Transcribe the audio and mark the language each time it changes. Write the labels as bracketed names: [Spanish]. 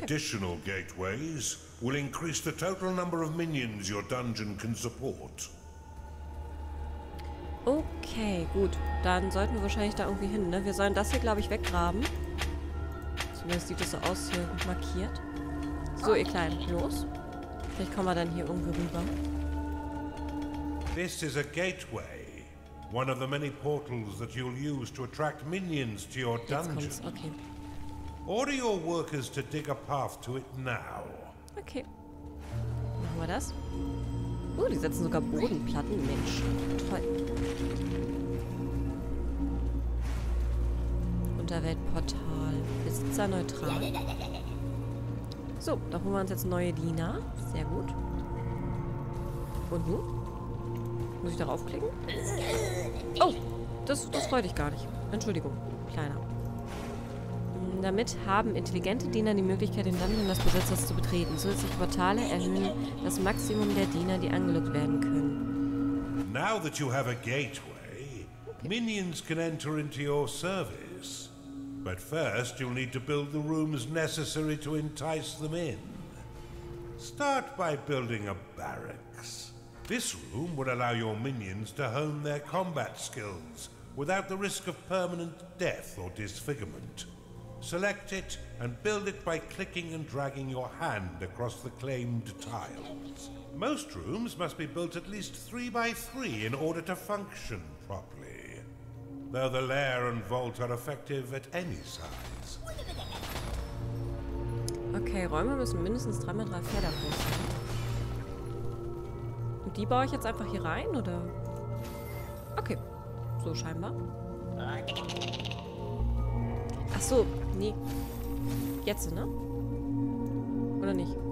[English] Additional gateways will increase the total number of minions your dungeon can support. [German] Okay, gut. Dann sollten wir wahrscheinlich da irgendwie hin, ne? Wir sollen das hier, glaube ich, weggraben. Zumindest sieht es so aus hier markiert. So, ihr Kleinen, los. Vielleicht kommen wir dann hier irgendwie rüber. [English] This is a gateway, one of the many portals that you'll use to attract minions to your dungeon. [German] Jetzt kommt's. Okay. [English] Order your workers to dig a path to it now. [German] Okay. Machen wir das. Die setzen sogar Bodenplatten. Mensch, toll. Unterweltportal. Besitzer neutral. So, da holen wir uns jetzt neue Diener. Sehr gut. Und nun? Muss ich darauf klicken? Oh, das freut dich gar nicht. Entschuldigung, Kleiner. Damit haben intelligente Diener die Möglichkeit, den Dungeon des Besitzers zu betreten. Zusätzliche Portale erhöhen das Maximum der Diener, die angelockt werden können. [English] Now that you have a gateway, minions can enter into your service. But first you'll need to build the rooms necessary to entice them in. Start by building a barracks. This room would allow your minions to hone their combat skills without the risk of permanent death or disfigurement. Select it and build it by clicking and dragging your hand across the claimed tiles. Most rooms must be built at least 3x3 in order to function properly. Though the lair and vault are effective at any size. [German] Okay, Räume müssen mindestens 3x3 Felder groß sein. Und die baue ich jetzt einfach hier rein, oder? Okay, so scheinbar. Ach so. Nee. Jetzt, ne? Oder nicht?